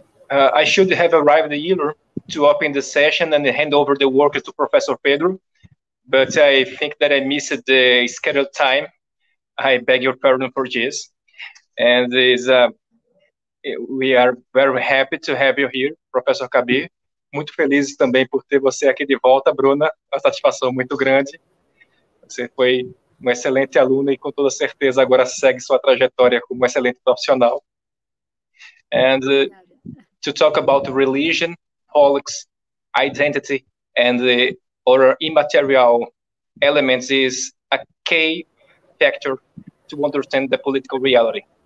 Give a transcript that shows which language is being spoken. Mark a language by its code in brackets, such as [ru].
[en] I should have arrived earlier to open the session and hand over the work to Professor Pedro, but I think that I missed the scheduled time. I beg your pardon for this, and we are very happy to have you here, Professor Kabir. [pt] Muito feliz também por ter você aqui de volta, Bruna. Uma satisfação muito grande. Você foi uma excelente aluna e com toda certeza agora segue sua trajetória como excelente profissional. [en] And to talk about religion, politics, identity, and other immaterial elements is a key factor to understand the political reality.